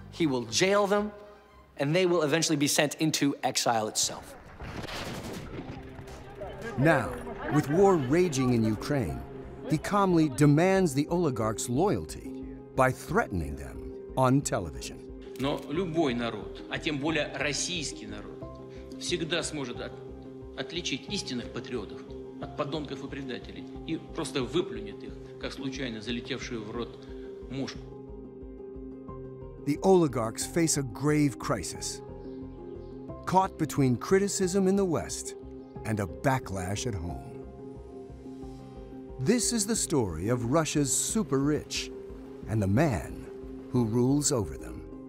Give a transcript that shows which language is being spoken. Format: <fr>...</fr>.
<en>He will jail them, and they will eventually be sent into exile itself. Now, with war raging in Ukraine, he calmly demands the oligarchs' loyalty by threatening them on television.</en> <ru>Но любой народ, а тем более российский народ, всегда сможет отличить истинных патриотов от подонков и предателей и просто выплюнет их, как случайно залетевшую в рот мушку.</ru> <en>The oligarchs face a grave crisis. Caught between criticism in the West and a backlash at home. This is the story of Russia's super rich and the man who rules over them.</en>